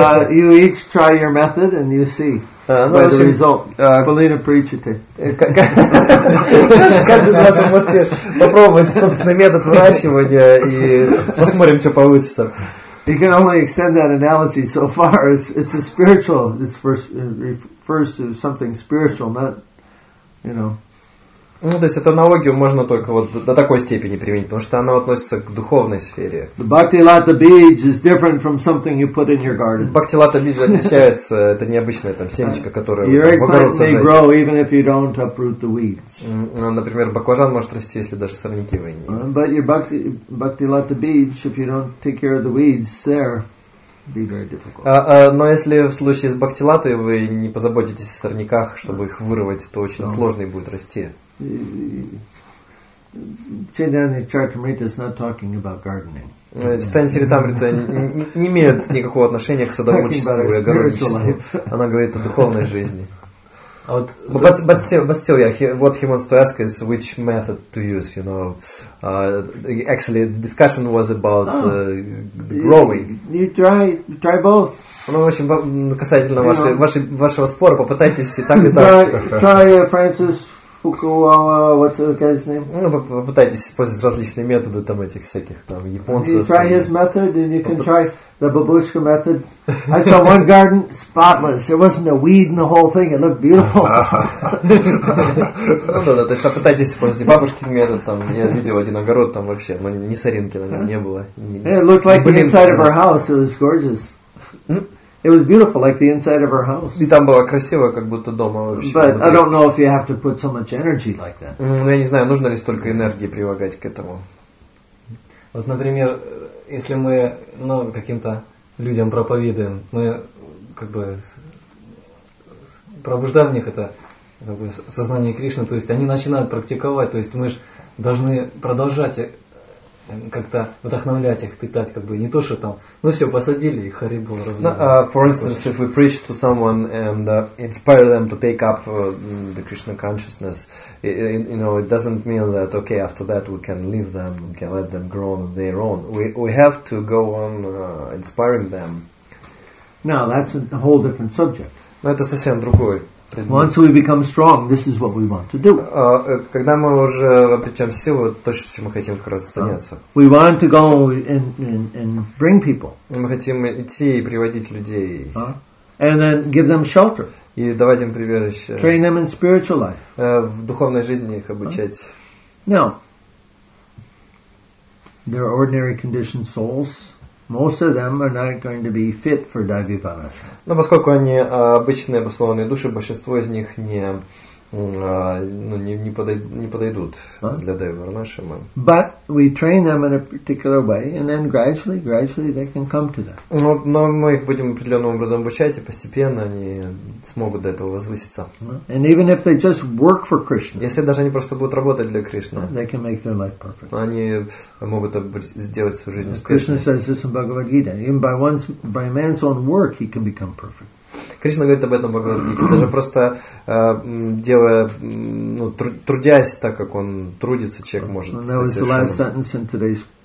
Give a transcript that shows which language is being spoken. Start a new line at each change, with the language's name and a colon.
English: you each try your method and you see. By the result,
Russian: Полина Причите. Каждый из вас может попробовать собственный метод выращивания и посмотрим, что получится.
English: You can only extend that analogy so far. It's a spiritual. It's refers to something spiritual, not, you know.
Russian: Ну, то есть эту аналогию можно только вот до такой степени применить, потому что она относится к духовной сфере.
English: The Bhakti Lata Beej is different from something you put in your garden.
Russian: Bhakti Lata Beej отличается, это необычное там семечко, которое вы там в огород сажаете.
English: Your eggplant may grow even if you don't uproot the weeds.
Russian: Например, баклажан может расти, если даже сорняки вы не...
English: But your Bhakti Lata Beej, if you don't take care of the weeds there, be very difficult.
Russian: Но если в случае с Bhakti Lata вы не позаботитесь о сорняках, чтобы их вырвать, то очень сложно будет расти.
English: Chaitanya Charitamrita is not talking about gardening.
Russian: Chaitanya Charitamrita не имеет никакого отношения к садоводству и огородничеству. Она говорит о духовной жизни.
English: But still, yeah, what he wants to ask is which method to use, you know. Actually, the discussion was about the growing. You try both.
Russian: Ну, в общем, касательно вашего спора, попытайтесь и так, и так.
English: Try Francis Fukuwa, what's the guy's name?
Russian: Ну, попытайтесь использовать различные методы там этих всяких там японцев.
English: You try his method, and you can try the babushka method. I saw one garden spotless. There wasn't a weed in the whole thing. It looked beautiful.
Russian: Ну да, то есть попытайтесь использовать бабушкин метод там. Я видел один огород там вообще, но ни соринки на нем не было.
English: It looked like the inside of her house. It was gorgeous. It was beautiful, like the inside of her house.
Russian: И там было красиво, как будто дома вообще.
English: But I don't know if you have to put so much energy like that.
Russian: Ну, я не знаю, нужно ли столько энергии прилагать к этому. Вот, например, если мы, ну, каким-то людям проповедуем, мы, как бы, пробуждаем в них это, как бы, сознание Кришны, то есть они начинают практиковать, то есть мы же должны продолжать как-то вдохновлять их, питать, как бы не то, что там, ну все, посадили их, хари бол, развивался.
English: For instance, if we preach to someone and inspire them to take up the Krishna consciousness, you know, it doesn't mean that, okay, after that we can leave them, we can let them grow on their own. We have to go on inspiring them. Now, that's a whole different subject.
Russian: Но это совсем другой.
English: Once we become strong, this is what we want to do.
Russian: Когда мы уже обретем силу, то, что мы хотим как раз заняться.
English: We want to go and bring people.
Russian: Мы хотим идти и приводить людей.
English: And then give them shelter.
Russian: И давать им прибежище.
English: Train them in spiritual life.
Russian: В духовной жизни их обучать.
English: Now, they're ordinary conditioned souls. Most of them are not going to be fit for Devi Parashara.
Russian: Но поскольку они обычные обоснованные души, большинство из них не подойдут для Devi Parashara.
English: But we train them in a particular way, and then gradually they can come to that.
Russian: Но мы их будем определенным образом обучать, и постепенно они смогут до этого возвыситься.
English: And even if they just work for Krishna,
Russian: если даже они просто будут работать для Кришны,
English: they can make their life perfect.
Russian: Они могут сделать свою жизнь успешной.
English: Krishna says this in Bhagavad Gita. Even by man's own work, he can become perfect.
Russian: Кришна говорит об этом в Бхагавад Гите, даже просто делая, трудясь так, как он трудится, человек может стать совершенным.